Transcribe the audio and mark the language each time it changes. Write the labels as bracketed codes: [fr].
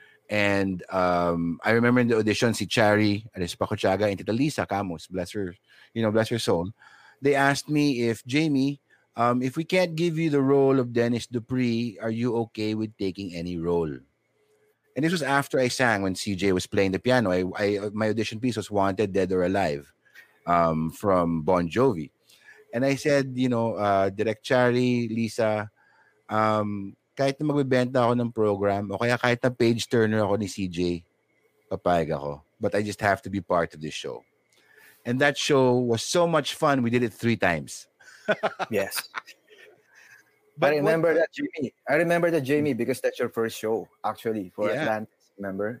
[en] And I remember in the audition, [tl] si [en] Chari, Arispa Kuchaga, and Tita Lisa Camus, bless her soul, they asked me if, Jamie, if we can't give you the role of Dennis Dupree, are you okay with taking any role? And this was after I sang when CJ was playing the piano. My audition piece was Wanted, Dead or Alive from Bon Jovi. And I said, Direk Chari, Lisa, [tl] kahit na magbibenta ako ng program o kaya kahit na page turner ako ni CJ, papayag ako. [en] But I just have to be part of this show. And that show was so much fun. We did it 3 times. Yes. But I remember what, that, Jamie. I remember that, Jamie, because that's your first show, actually, for Atlantis, remember?